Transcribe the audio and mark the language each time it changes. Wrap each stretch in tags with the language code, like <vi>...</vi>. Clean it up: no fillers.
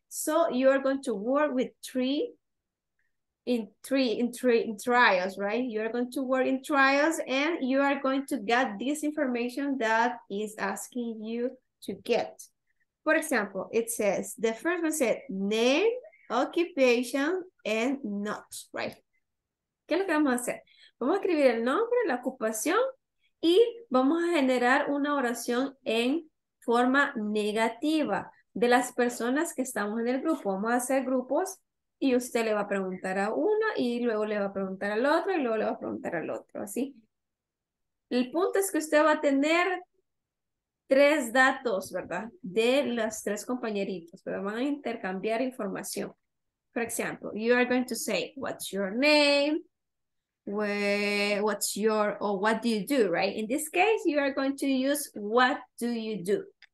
<en>So you are going to work with trials, right? You are going to work in trials and you are going to get this information that is asking you to get. For example, it says, the first one said name, occupation, and not, right?</en> <es>¿Qué es lo que vamos a hacer? Vamos a escribir el nombre, la ocupación, y vamos a generar una oración en forma negativa de las personas que estamos en el grupo. Vamos a hacer grupos y usted le va a preguntar a uno y luego le va a preguntar al otro y luego le va a preguntar al otro, ¿sí? El punto es que usted va a tener tres datos, ¿verdad? De los tres compañeritos, pero van a intercambiar información.</es> <en>For example, you are going to say, what's your name? What do you do, right? In this case, you are going to use what do you do.</en>